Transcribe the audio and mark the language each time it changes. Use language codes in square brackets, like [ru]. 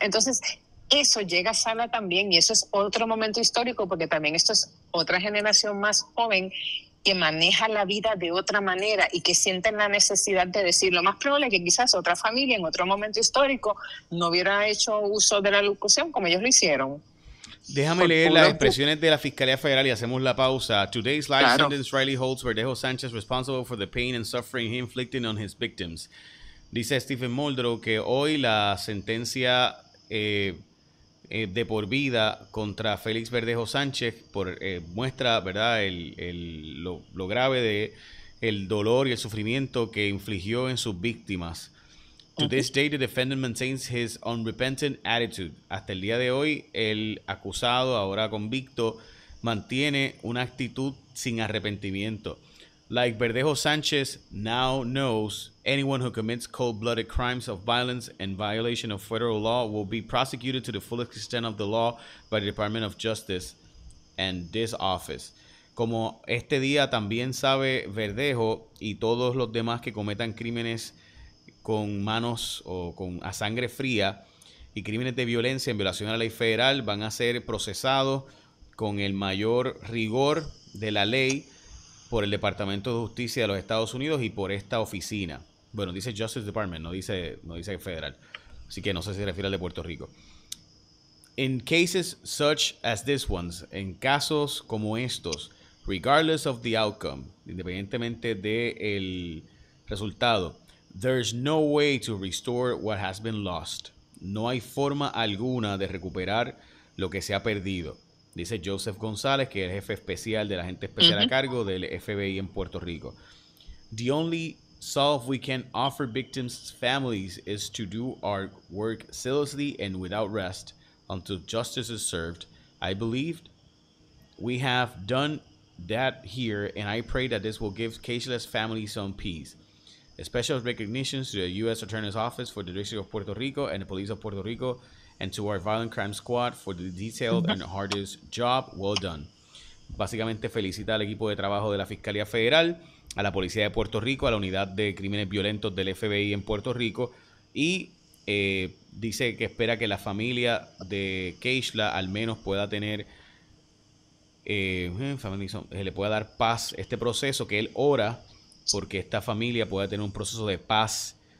[es] Entonces, eso llega a sala también y eso es otro momento histórico porque también esto es otra generación más joven que maneja la vida de otra manera y que sienten la necesidad de decir lo más probable es que quizás otra familia en otro momento histórico no hubiera hecho uso de la locución como ellos lo hicieron. Déjame Por leer las puro puf. expresiones de la Fiscalía Federal y hacemos la pausa. [en] Today's live [es] Claro. [en] sentence Riley holds Verdejo Sánchez responsible for the pain and suffering he inflicted on his victims. [es] Dice Stephen Muldrow que hoy la sentencia de por vida contra Félix Verdejo Sánchez por, muestra, ¿verdad? Lo grave de el dolor y el sufrimiento que infligió en sus víctimas. [en] To this day, the defendant maintains his unrepentant attitude. [es] Hasta el día de hoy, el acusado, ahora convicto, mantiene una actitud sin arrepentimiento. [en] Like Verdejo Sánchez now knows, anyone who commits cold-blooded crimes of violence and violation of federal law will be prosecuted to the fullest extent of the law by the Department of Justice and this office. [es] Como este día también sabe Verdejo y todos los demás que cometan crímenes con manos o a sangre fría y crímenes de violencia en violación a la ley federal van a ser procesados con el mayor rigor de la ley por el Departamento de Justicia de los Estados Unidos y por esta oficina. Bueno, dice Justice Department, no dice federal. Así que no sé si se refiere al de Puerto Rico. [en] In cases such as this ones, [es] en casos como estos, [en] regardless of the outcome, [es] independientemente del resultado, [en] there's no way to restore what has been lost. [es] No hay forma alguna de recuperar lo que se ha perdido. Dice Joseph González, que es el jefe especial del agente especial a cargo del FBI en Puerto Rico. [en] The only solve we can offer victims' families is to do our work zealously and without rest until justice is served. I believe we have done that here, and I pray that this will give caseless families some peace. A special recognition to the U.S. Attorney's Office for the District of Puerto Rico and the Police of Puerto Rico. And to our Violent Crime Squad for the detailed and hardest job well done. [es] Básicamente felicita al equipo de trabajo de la Fiscalía Federal, a la Policía de Puerto Rico, a la Unidad de Crímenes Violentos del FBI en Puerto Rico y dice que espera que la familia de Keishla al menos pueda tener, le pueda dar paz este proceso, que él ora porque esta familia pueda tener un proceso de paz.